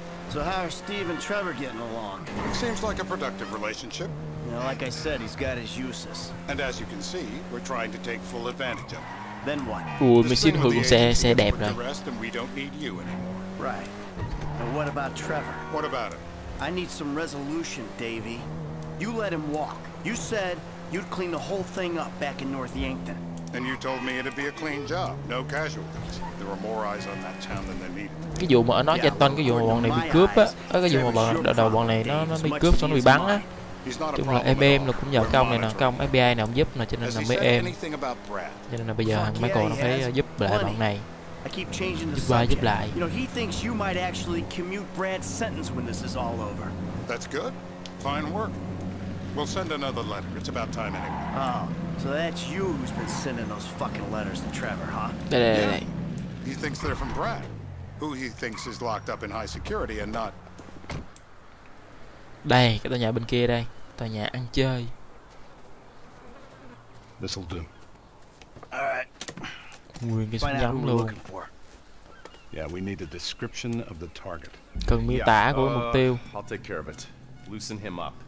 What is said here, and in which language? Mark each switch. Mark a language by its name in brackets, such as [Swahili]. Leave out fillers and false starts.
[English] So how are Steve and Trevor getting along? Seems like a productive relationship. You know, like I said, he's got his uses. And as you can see, we're trying to take full advantage of him. Then what? [Vietnamese] Ủa, mình xin hưởng xe đẹp rồi. [English] We don't need you anymore. Right. But what about Trevor? What about him? I need some resolution, Davey. You let him walk. You said you'd clean the whole thing up back in North Yankton. And you told me it'd be a clean job, no casualties. There were more eyes on that town than they needed. [Vietnamese] Cái vụ mà nói danh tên cái vụ bọn này bị cướp á, cái vụ mà bọn đầu bọn này nó bị cướp xong nó bị bắn á. Chúng là EBM nó cũng nhờ cái ông này nè, cái ông FBI này ông giúp nè, cho nên là mấy em. Cho nên là bây giờ thằng Michael nó phải giúp lại bọn này. [English] I keep changing the subject. [Vietnamese] Giúp lại. [English] You know, he thinks you might actually commute Brad's sentence when this is all over. That's good. Fine work. We'll send another letter. It's about time anyway. Oh, so that's you who's been sending those fucking letters to Trevor, huh? Yeah. He thinks they're from Brad, who he thinks is locked up in high security and not... [Vietnamese] Đây, cái tòa nhà bên kia đây. Tòa nhà ăn chơi. [English] This'll do. Alright. [Vietnamese] Nguyên cái súng nhắm luôn. [English] Yeah, we need a description of the target. [Vietnamese] Cần miêu tả của mục tiêu. [English] I'll take care of it. Loosen him up.